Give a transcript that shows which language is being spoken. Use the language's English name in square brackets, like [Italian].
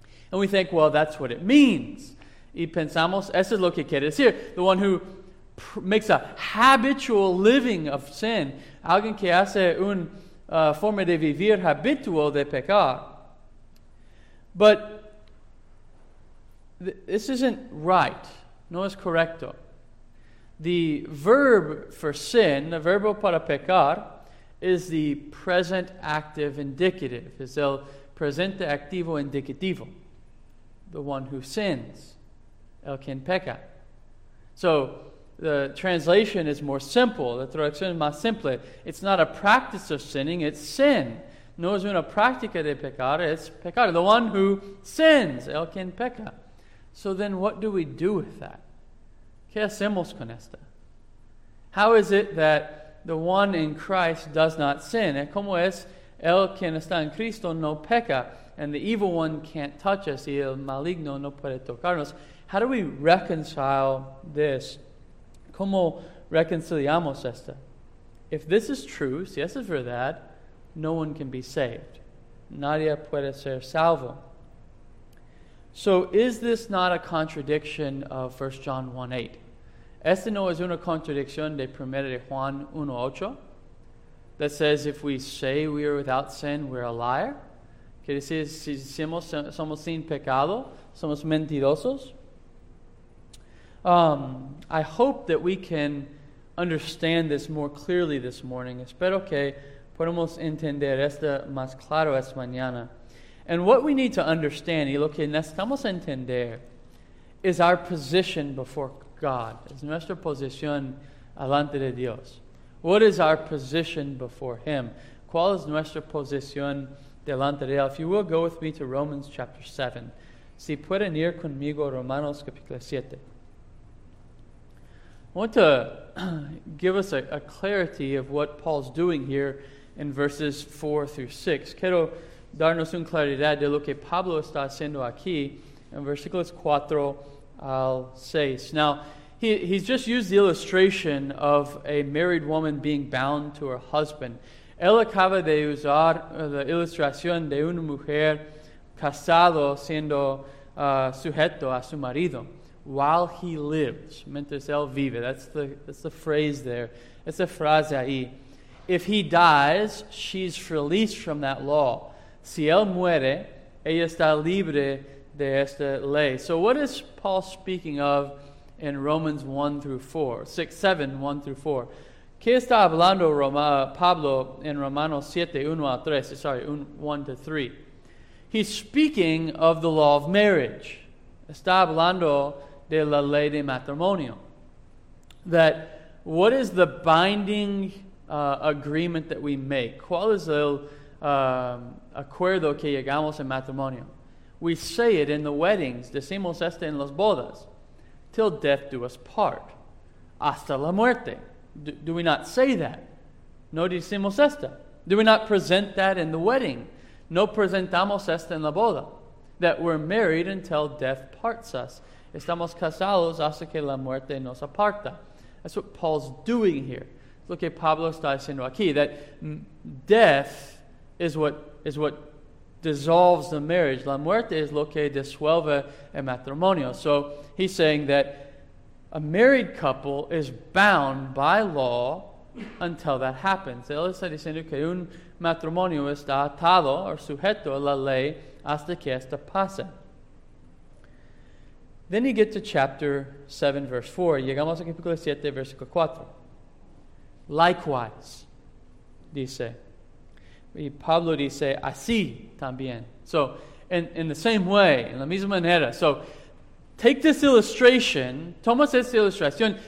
[English] And we think, well, that's what it means. [Spanish] Y pensamos, eso es lo que quiere decir. [English] The one who makes a habitual living of sin. [Spanish] Alguien que hace una forma de vivir habitual de pecar. [English] But this isn't right. [Spanish] No es correcto. [English] The verb for sin, the [Spanish] verbo para pecar, [English] is the present active indicative. [Spanish] Es el presente activo indicativo. [English] The one who sins, [Spanish] el quien peca. [English] So, the translation is more simple. [Spanish] La traducción es más simple. [English] It's not a practice of sinning, it's sin. [Spanish] No es una práctica de pecar, es pecar. [English] The one who sins, [Spanish] el quien peca. [English] So then what do we do with that? [Spanish] ¿Qué hacemos con esta? [English] How is it that the one in Christ does not sin? [Spanish] ¿Cómo es el quien está en Cristo no peca? [English] And the evil one can't touch us, [Spanish] y el maligno no puede tocarnos. [English] How do we reconcile this? [Spanish] ¿Cómo reconciliamos esta? [English] If this is true, [Spanish] si es verdad, [English] no one can be saved. [Spanish] Nadie puede ser salvo. [English] So is this not a contradiction of 1 John 1:8? [Spanish] ¿Este no es una contradicción de 1 Juan 1:8? [English] That says if we say we are without sin, we're a liar. [Spanish] Quiere decir, si decimos somos sin pecado, somos mentirosos. [English] I hope that we can understand this more clearly this morning. [Spanish] Espero que podamos entender esto más claro esta mañana. [English] And what we need to understand, [Spanish] y lo que necesitamos entender, [English] is our position before God. [Spanish] Es nuestra posición delante de Dios. [English] What is our position before Him? [Spanish] ¿Cuál es nuestra posición delante de Él? [English] If you will, go with me to Romans chapter 7. [Spanish] Si pueden ir conmigo, Romanos capítulo 7. [English] I want to give us a clarity of what Paul's doing here in verses 4 through 6. [Spanish] Quiero darnos una claridad de lo que Pablo está haciendo aquí en versículos 4 al 6. [English] Now, he's just used the illustration of a married woman being bound to her husband. [Spanish] Él acaba de usar la ilustración de una mujer casado siendo sujeto a su marido. [English] While he lives, [Spanish] mientras él vive. [English] That's the phrase there. It's a [Spanish] frase ahí. [English] If he dies, she's released from that law. [Spanish] Si él muere, ella está libre de esta ley. [English] So what is Paul speaking of in Romans 1 through 4? 6, 7, 1 through 4. [Spanish] ¿Qué está hablando Pablo en Romanos 7, 1 a 3? [English] Sorry, 1 to 3. He's speaking of the law of marriage. [Spanish] Está hablando de la ley de matrimonio. [English] That what is the binding agreement that we make? [Spanish] ¿Cuál es el acuerdo que llegamos en matrimonio? [English] We say it in the weddings. [Spanish] Decimos esto en las bodas. [English] Till death do us part. [Spanish] Hasta la muerte. [English] Do we not say that? [Spanish] No decimos esto. [English] Do we not present that in the wedding? [Spanish] No presentamos esto en la boda. [English] That we're married until death parts us. [Spanish] Estamos casados hasta que la muerte nos aparta. [English] That's what Paul's doing here. [Spanish] Lo que Pablo está diciendo aquí. [English] That death is what dissolves the marriage. [Spanish] La muerte es lo que disuelve el matrimonio. [English] So he's saying that a married couple is bound by law until that happens. [Spanish] Él está diciendo que un matrimonio está atado o sujeto a la ley hasta que esta pase. [English] Then you get to chapter 7, verse 4. [Spanish] Llegamos a capítulo 7, versículo 4. Likewise, dice. Y Pablo dice, así también. [English] So, in the same way, [Spanish] en la misma manera. [English] So, take this illustration. [Spanish] Toma esta ilustración.